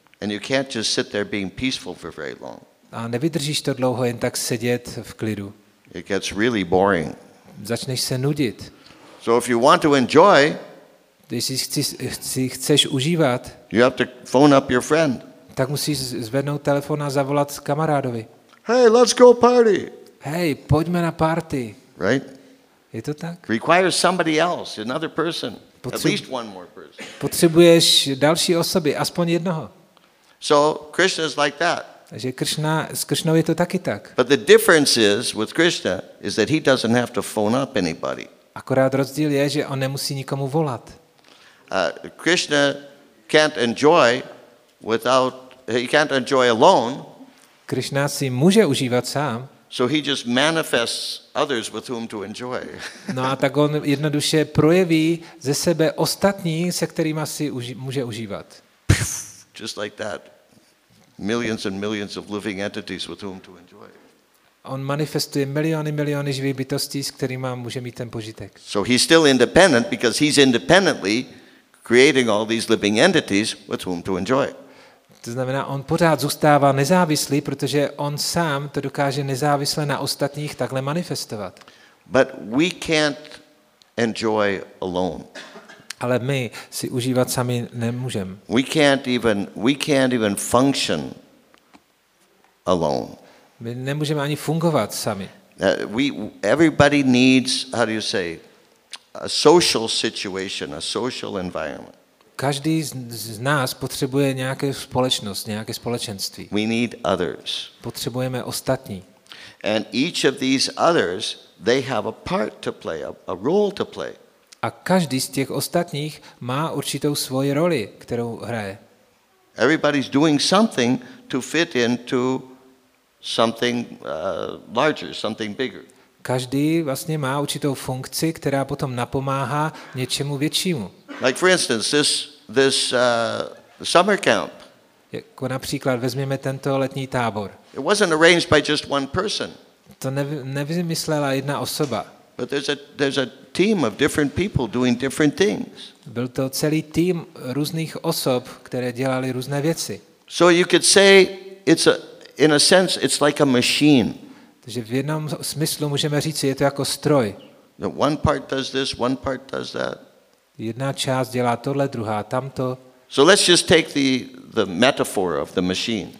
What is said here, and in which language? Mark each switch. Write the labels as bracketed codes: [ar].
[en] And you can't just sit there being peaceful for very long. [cs] A nevydržíš to dlouho jen tak sedět v klidu. [en] It gets really boring. [cs] Začneš se nudit. [en] So if you want to enjoy, [cs] když si chceš užívat, [en] you have to phone up your friend. [cs] Tak musíš zvednout telefon a zavolat kamarádovi. [en] Hey, let's go party. [cs] Hej, pojďme na party. [en] Right? [cs] Je to tak? [en] Requires somebody else, another person. At least one more person. [cs] Potřebuješ další osoby, aspoň jednoho. [en] So Krishna is like that. [cs] Takže Krishna, s Krishnou je to taky tak. [en] But the difference is with Krishna is that he doesn't have to phone up anybody. [cs] Akorát rozdíl je, že on nemusí nikomu volat. [en] Krishna can't enjoy without he can't enjoy alone. [cs] Krishna si může užívat sám. [en] So he just manifests others with whom to enjoy. [cs] No a tak on jednoduše projeví ze sebe ostatní, se kterými si může užívat. [en] Just like that. Millions and millions of living entities with whom to enjoy. [cs] On manifestuje miliony, miliony živých bytostí, s kterými může mít ten požitek. [en] So he's still independent because he's independently creating all these living entities with whom to enjoy. [cs] To znamená, on pořád zůstává nezávislý, protože on sám to dokáže nezávisle na ostatních takhle manifestovat. [en] But we can't enjoy alone. [cs] Ale my si užívat sami nemůžeme. [en] We can't even function alone. [cs] My nemůžeme ani fungovat sami. [en] Everybody needs, how do you say, a social situation, a social environment. [cs] Každý z nás potřebuje nějaké společnost, nějaké společenství. [en] We need others. [cs] Potřebujeme ostatní. [en] And each of these others, they have a part to play, a role to play. [cs] A každý z těch ostatních má určitou svoji roli, kterou hraje. [en] Everybody's doing something to fit into something larger, something bigger. [cs] Každý vlastně má určitou funkci, která potom napomáhá něčemu většímu. [en] Like for instance, this summer camp. [cs] Jako například vezmeme tento letní tábor. [en] It wasn't arranged by just one person. [cs] To nevymyslela jedna osoba. [en] But there's a team of different people doing different things. [cs] Byl to celý tým různých osob, které dělali různé věci. [en] So you could say it's a in a sense it's like a machine. [cs] Takže v jednom smyslu můžeme říct, je to jako stroj. [en] One part does this, one part does that. [cs] Jedna část dělá tohle, druhá tamto. [en] So let's just take the metaphor of the machine.